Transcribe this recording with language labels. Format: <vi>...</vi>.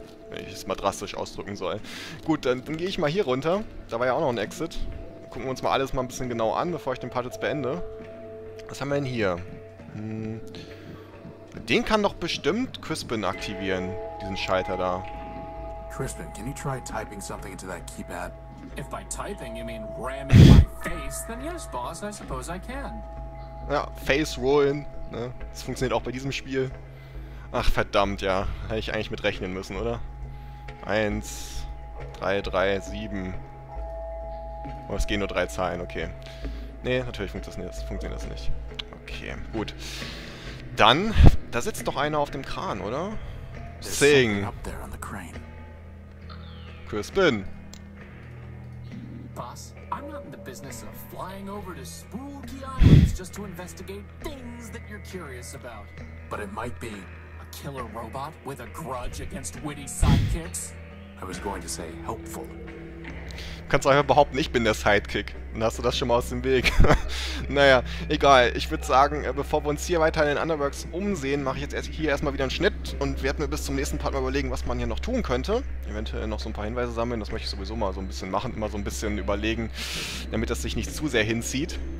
<de>Wenn ich es mal drastisch ausdrücken soll. Gut, dann gehe ich mal hier runter. Da war ja auch noch ein Exit. Gucken wir uns mal alles mal ein bisschen genau an, bevor ich den Part jetzt beende. Was haben wir denn hier? Den kann doch bestimmt Crispin aktivieren, diesen Schalter da.</de> <en>Crispin, can you try typing something into that keypad? If by typing you mean ramming my face, then yes, boss, I suppose I can.</en> <de>Ja, Face Rollen, ne? Das funktioniert auch bei diesem Spiel. Ach, verdammt, ja. Hätte ich eigentlich mit rechnen müssen, oder? 1, 3, 3, 7. Oh, es gehen nur drei Zahlen, okay. Nee, natürlich funktioniert das nicht. Okay, gut. Dann, da sitzt doch einer auf dem Kran, oder? Sing. Crispin.</de> <en>Boss, I'm not in the business of flying over to spooky islands just to investigate things that you're curious about. But it might be a killer robot with a grudge against witty sidekicks. I was going to say helpful.</en> <de>Kannst du einfach behaupten, ich bin der Sidekick. Dann hast du das schon mal aus dem Weg. Naja, egal. Ich würde sagen, bevor wir uns hier weiter in den Underworks umsehen, mache ich jetzt hier erstmal wieder einen Schnitt und werde mir bis zum nächsten Part mal überlegen, was man hier noch tun könnte. Eventuell noch so ein paar Hinweise sammeln. Das möchte ich sowieso mal so ein bisschen machen, immer so ein bisschen überlegen, damit das sich nicht zu sehr hinzieht.</de>